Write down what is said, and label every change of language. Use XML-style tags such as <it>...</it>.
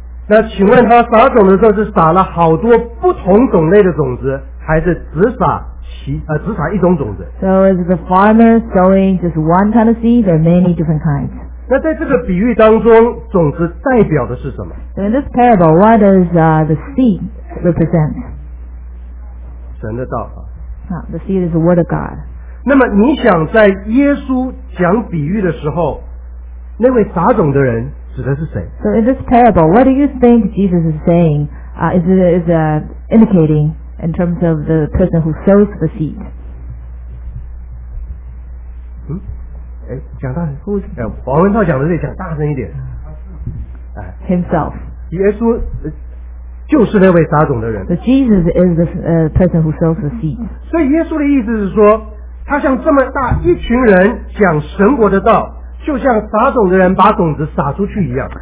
<zh>那请问他撒种的时候是撒了好多不同种类的种子，还是只撒一种种子</zh> <en>？So is the farmer sowing just one kind of seed or many different kinds?</en> <zh>那在这个比喻当中种子代表的是什么</zh> <en>So in this parable what does the seed represent</en> <zh>神的道</zh> <en>The seed is the word of God</en> <zh>那么你想在耶稣讲比喻的时候那位撒种的人指的是谁</zh> <en>So in this parable what do you think Jesus is saying is indicating in terms of the person who sows the seed</en> <zh>讲大声呼王文涛讲的这讲大声一点</zh> <en>himself</en> <zh>耶稣就是那位撒种的人</zh> <en>so Jesus is the person who sows the seed</en> <zh>所以耶稣的意思是说他像这么大一群人讲神国的道就像撒种的人把种子撒出去一样</zh>